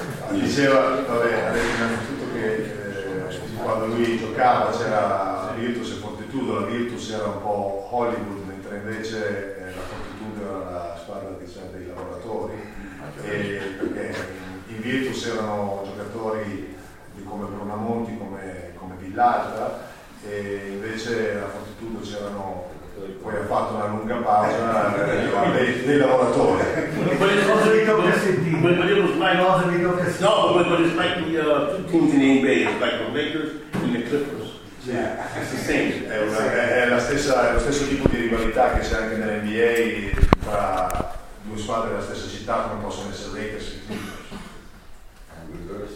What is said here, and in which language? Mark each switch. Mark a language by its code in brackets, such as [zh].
[it] Diceva, vabbè, innanzitutto che quando lui giocava c'era Virtus e Fortitudo, la Virtus era un po' Hollywood, mentre invece la Fortitudo era la squadra, diciamo, dei lavoratori, perché in Virtus erano giocatori di come Brunamonti, come Villalta, e invece a Fortitudo c'erano, poi ha fatto una lunga pausa dei lavoratori. [en] But it's like the two teams in the NBA, like the Lakers and the Clippers. Yeah, it's the same. [it] È lo stesso tipo di rivalità che c'è anche nella NBA tra due squadre della stessa città, come possono essere Lakers e Clippers.